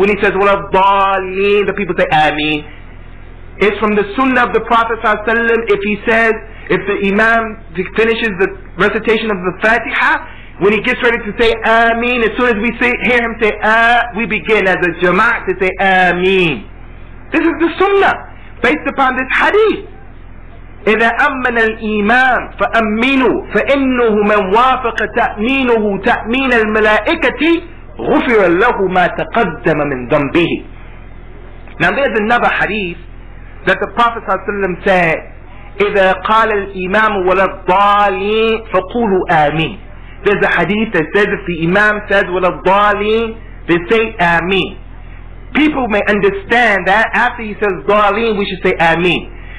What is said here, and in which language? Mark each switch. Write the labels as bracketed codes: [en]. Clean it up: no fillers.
[en] When he says wala dhalin, the people say Ameen. It's from the sunnah of the Prophet ﷺ, if he says, if the imam finishes the recitation of the Fatiha, when he gets ready to say Ameen, as soon as we say, hear him say we begin as a jama'at to say Ameen. This is the sunnah, based upon this hadith. [ar] إذا أمن الإمام فأمينه فإنه من وافق تأمينه تأمين الملائكة غفر له ما تقدم من ذنبه. [en] Now there's another hadith that the Prophet ﷺ said, [ar] إذا قال الإمام ولا الضالين فقولوا آمين. [en] There's a hadith that says if the Imam says ولا الضالين, they say آمين. People may understand that after he says ضالين, we should say آمين.